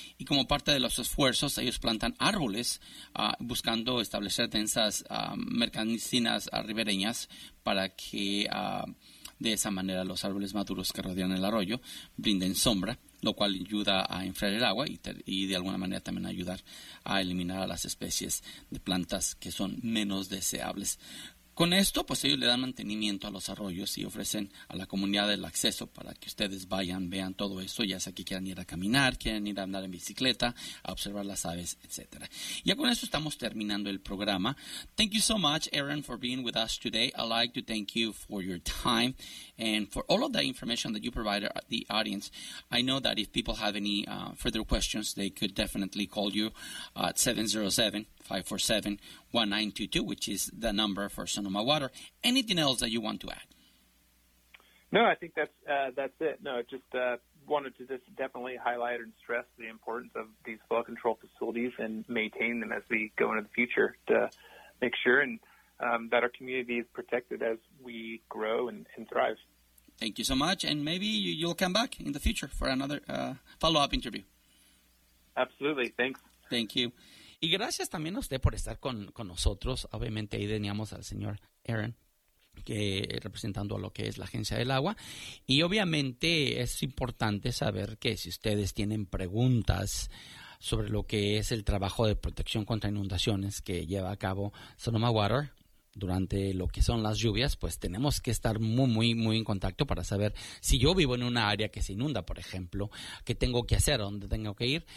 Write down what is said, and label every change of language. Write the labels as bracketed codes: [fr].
[es] Y como parte de los esfuerzos, ellos plantan árboles buscando establecer densas mercancías ribereñas para que de esa manera los árboles maduros que rodean el arroyo brinden sombra, lo cual ayuda a enfriar el agua y de alguna manera también ayudar a eliminar a las especies de plantas que son menos deseables. Con esto, pues ellos le dan mantenimiento a los arroyos y ofrecen a la comunidad el acceso para que ustedes vayan, vean todo esto, ya sea que quieran ir a caminar, quieran ir a andar en bicicleta, a observar las aves, etc. Ya con esto estamos terminando el programa. [en] Thank you so much, Aaron, for being with us today. I'd like to thank you for your time and for all of the information that you provided the audience. I know that if people have any further questions, they could definitely call you at 707-547-1922, which is the number for Sonoma Water. Anything else that you want to add? No, I think that's it. No, I just wanted to just definitely highlight and stress the importance of these flood control facilities and maintain them as we go into the future to make sure and that our community is protected as we grow and thrive. Thank you so much. And maybe you'll come back in the future for another follow-up interview. Absolutely. Thanks. Thank you. [es] Y gracias también a usted por estar con nosotros. Obviamente ahí teníamos al señor Aaron, que representando a lo que es la Agencia del Agua. Y obviamente es importante saber que si ustedes tienen preguntas sobre lo que es el trabajo de protección contra inundaciones que lleva a cabo Sonoma Water durante lo que son las lluvias, pues tenemos que estar muy, muy, muy en contacto para saber si yo vivo en una área que se inunda, por ejemplo, qué tengo que hacer, dónde tengo que ir.